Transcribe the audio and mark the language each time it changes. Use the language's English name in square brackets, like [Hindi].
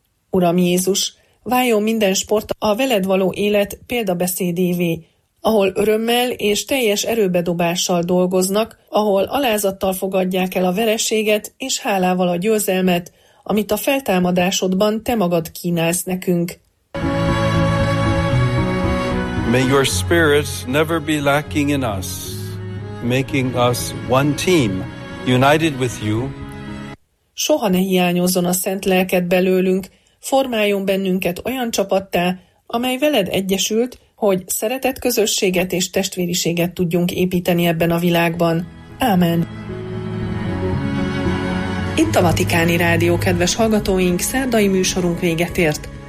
[Hungarian] Uram Jézus, váljon minden sport a veled való élet példabeszédévé, ahol örömmel és teljes erőbedobással dolgoznak, ahol alázattal fogadják el a vereséget és hálával a győzelmet, amit a feltámadásodban te magad kínálsz nekünk. [English] May your spirit never be lacking in us, making us one team, united with you. [Hungarian] Soha ne hiányozzon a szent lelked belőlünk, formáljon bennünket olyan csapattá, amely veled egyesült, hogy szeretett közösséget és testvériséget tudjunk építeni ebben a világban. Amen. Itt a Vatikáni Rádió, kedves hallgatóink, szerdai műsorunk véget ért.